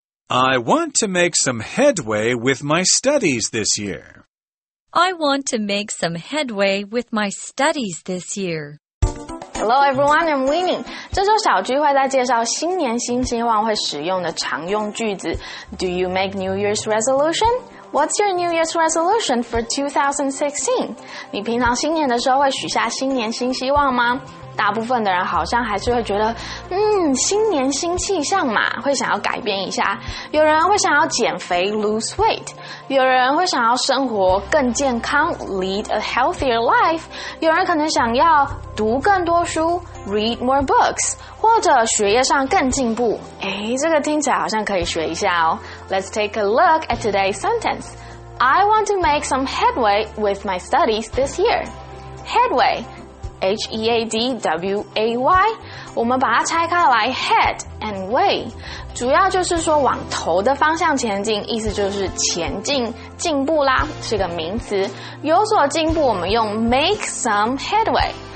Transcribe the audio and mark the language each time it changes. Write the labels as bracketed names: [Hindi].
[English] I want to make some headway with my studies this year. I want to make some headway with my studies this year. Hello everyone, I'm Winnie. [Chinese] 这周小聚会在介绍新年新希望会使用的常用句子。 [English] Do you make New Year's resolution? What's your New Year's resolution for 2016? [Chinese] 你平常新年的时候会许下新年新希望吗？大部分的人好像还是会觉得，新年新气象嘛，会想要改变一下。有人会想要减肥 [English] lose weight， [Chinese] 有人会想要生活更健康 [English] lead a healthier life， [Chinese] 有人可能想要读更多书 [English] read more books， [Chinese] 或者学业上更进步。哎，这个听起来好像可以学一下哦。 [English] Let's take a look at today's sentence. I want to make some headway with my studies this year. [Chinese] Headway. H-E-A-D-W-A-Y 我们把它拆开来 [English] Head and way [Chinese] 主要就是说往头的方向前进意思就是前进进步啦是个名词有所进步我们用 [English] Make some headway